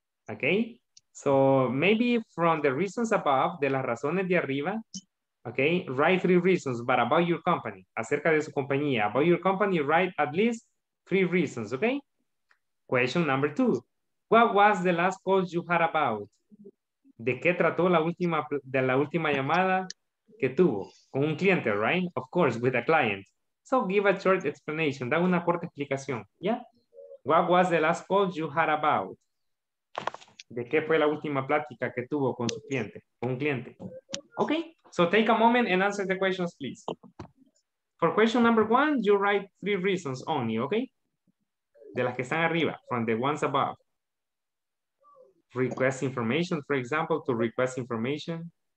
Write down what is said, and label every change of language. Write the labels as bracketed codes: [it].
[en] Okay, so maybe from the reasons above, [es] de las razones de arriba, [en] okay, write three reasons, but about your company, [es] acerca de su compañía, [en] about your company, write at least three reasons, okay? Question number two, what was the last call you had about? [es] ¿De qué trató la última llamada que tuvo? Con un cliente, [en] right? Of course, with a client. So give a short explanation, [es] da una corta explicación, [en] yeah? What was the last call you had about? [es] ¿De qué fue la última plática que tuvo con su cliente, con un cliente? [en] Okay, so take a moment and answer the questions, please. For question number one, you write three reasons only, okay? [es] De las que están arriba, [en] from the ones above. Request information, for example, to request information.